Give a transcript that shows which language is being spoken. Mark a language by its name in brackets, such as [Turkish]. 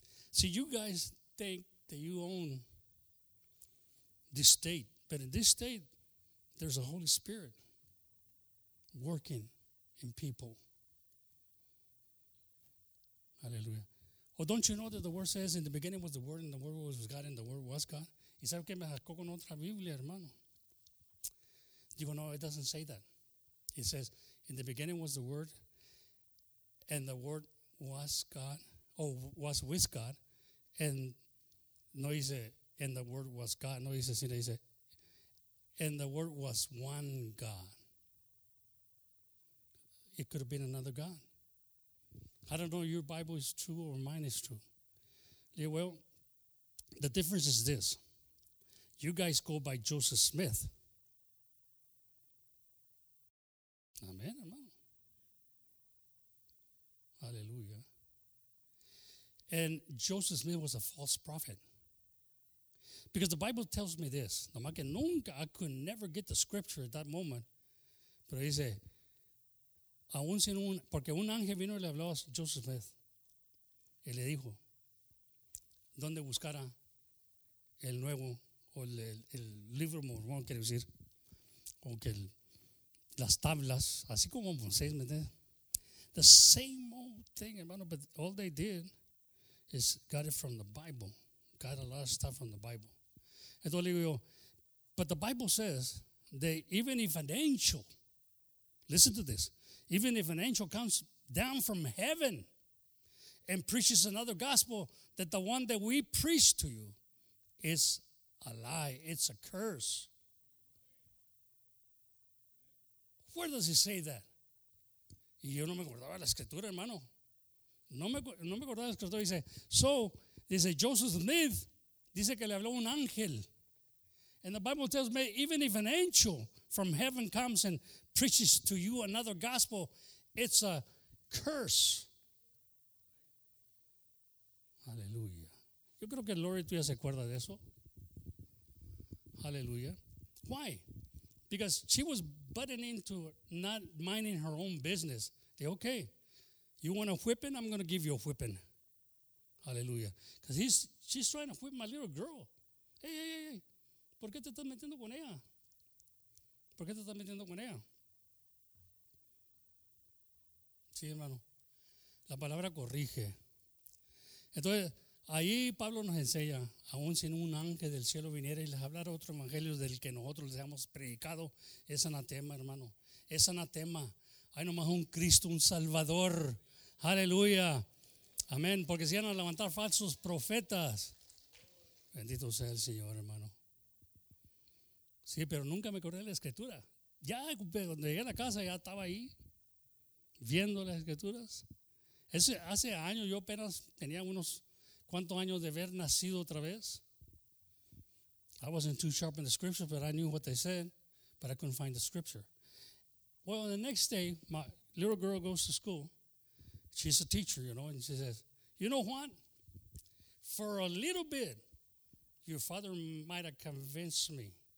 [English] See, you guys think that you own this state. But in this state, there's a Holy Spirit working in people. Hallelujah. Well, don't you know that the word says, in the beginning was the word, and the word was God, and the word was God? [Spanish] ¿Y sabe qué me sacó con otra Biblia, hermano? Digo, [English] no, it doesn't say that. It says, in the beginning was the word, and the word was God, or was with God, and [Spanish] no dice, [English] and the word was God, [Spanish] no dice, sino dice, [English] and the word was one God. It could have been another God. I don't know if your Bible is true or mine is true. Well, the difference is this. You guys go by Joseph Smith. Amen, hermano. Hallelujah. And Joseph Smith was a false prophet. Because the Bible tells me this. [Spanish] Nomás que nunca, [English] I could never get the scripture at that moment. [Spanish] Pero dice, aún sin un, porque un ángel vino y le habló a Joseph Smith. Él le dijo dónde buscara el nuevo o el libro mormón, quiere decir, o que el, las tablas, así como Moisés, ¿me entiendes? [English] The same old thing, hermano, but all they did is got it from the Bible. Got a lot of stuff from the Bible. [Spanish] Entonces le digo, [English] but the Bible says that even if an angel, listen to this, even if an angel comes down from heaven and preaches another gospel, that the one that we preach to you is a lie. It's a curse. Where does he say that? [Spanish] Y yo no me acordaba la escritura, hermano. No me acordaba la escritura. Dice, so, dice, Joseph Smith, dice que le habló un ángel. [English] And the Bible tells me, even if an angel from heaven comes and preaches to you another gospel, it's a curse. [Spanish] Aleluya. Yo creo que el Lord ya se acuerda de eso. [English] Aleluya. Why? Because she was butting into not minding her own business. They, okay, you want a whipping? I'm going to give you a whipping. Aleluya. Because she's trying to whip my little girl. [Spanish] Hey, hey, hey, hey. ¿Por qué te estás metiendo con ella? ¿Por qué te estás metiendo con ella? Sí, hermano. La palabra corrige. Entonces, ahí Pablo nos enseña, aun si un ángel del cielo viniera y les hablara otro evangelio del que nosotros les hemos predicado, es anatema, hermano. Es anatema. Hay nomás un Cristo, un Salvador. Aleluya. Amén. Porque si van a levantar falsos profetas. Bendito sea el Señor, hermano. Sí, pero nunca me acordé de la escritura. Ya cuando llegué a la casa ya estaba ahí viendo las escrituras. Ese, hace años yo apenas tenía unos cuantos años de haber nacido otra vez. [English] I wasn't too sharp in the scripture, but I knew what they said, but I couldn't find the scripture. Well, the next day, my little girl goes to school. She's a teacher, you know, and she says, you know what? For a little bit, your father might have convinced me.